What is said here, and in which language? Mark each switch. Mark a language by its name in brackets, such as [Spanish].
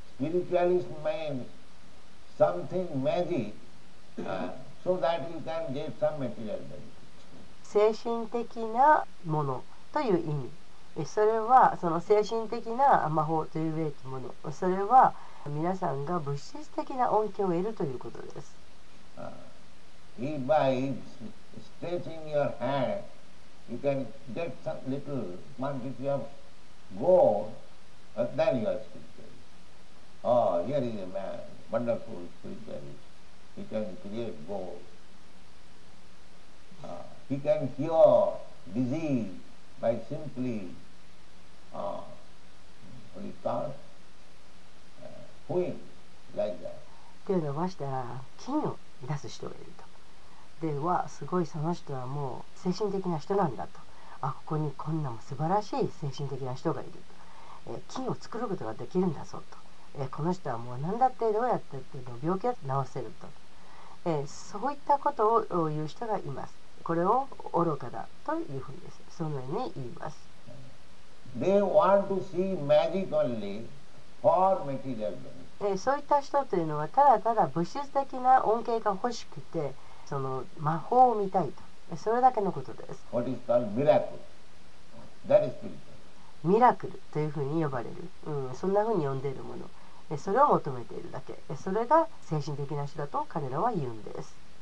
[Japanese] スピリチュアリズムは [English] something magic so that you can get some material benefit. [Japanese] 精神的なものという意味、それはその精神的な魔法というべきもの、それは皆さんが物質的な恩恵を得るということです。 [English] He buys stretching your hand, you can get some little quantity of gold, but then you are spiritual. Oh, here is a man, wonderful spiritualist, he can create gold. He can cure disease by simply pulling like that. [Japanese] で、伸ばしたら金を出す人がいると。では、すごいその人はもう精神的な人なんだと。あ、ここにこんなも素晴らしい精神的な人がいる。金を作ることができるんだぞと。この人はもう何だってどうやってっていうの病気を治せると。そういったことを言う人がいます。これを愚かだというふうにです。そのように言います。 [English] They want to see magic only for material benefit. [Japanese] そういった人というのは、ただただ物質的な恩恵が欲しくて、その魔法を見たいと、それだけのことです。 [English] What is called miracle? That is spiritual. [Japanese] ミラクルというふうに呼ばれる、そんなふうに呼んでいるもの、それを求めているだけ、それが精神的な人だと彼らは言うんです。